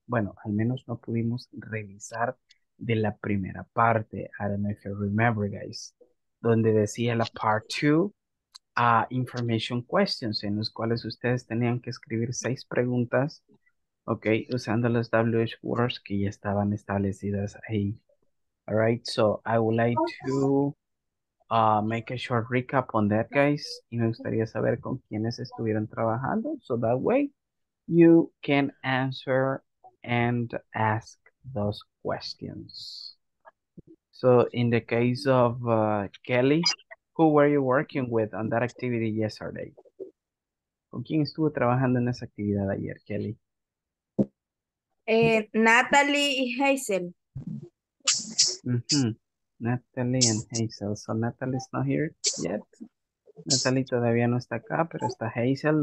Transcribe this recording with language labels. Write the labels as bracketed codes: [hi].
[es] Bueno, al menos no pudimos revisar de la primera parte. [en] I don't know if you remember, guys. [es] Donde decía la part 2, information questions, en los cuales ustedes tenían que escribir 6 preguntas, ok, usando las WH words que ya estaban establecidas ahí. [en] Alright, so I would like to make a short recap on that, guys. [es] Y me gustaría saber con quiénes estuvieron trabajando. [en] So that way, you can answer and ask those questions. So in the case of Kelly, who were you working with on that activity yesterday? [es] ¿Con quién estuvo trabajando en esa actividad ayer, Kelly? Natalie y Hazel. [en] Natalie and Hazel. So Natalie's not here yet. [es] Natalie todavía no está acá, pero está Hazel.